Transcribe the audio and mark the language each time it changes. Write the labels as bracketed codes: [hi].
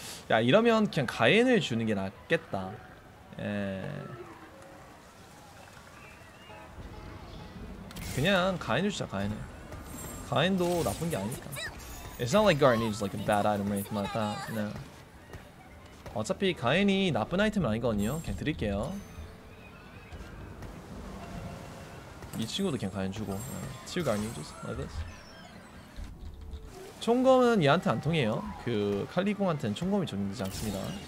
[ko] 야, 이러면 그냥 가인을 주는 게 낫겠다. 에. 그냥 가인을 주자. 가인을. 가인도 나쁜 게 아니니까. [en] It's not like Garnet is like a bad item or anything like that. No. [ko] 어차피 가인이 나쁜 아이템은 아니거든요. 그냥 드릴게요. 이 친구도 그냥 가인 주고. [en] Two Garnet just like this. [ko] 총검은 얘한테 안 통해요. 그 칼리공한테는 총검이 적용되지 않습니다.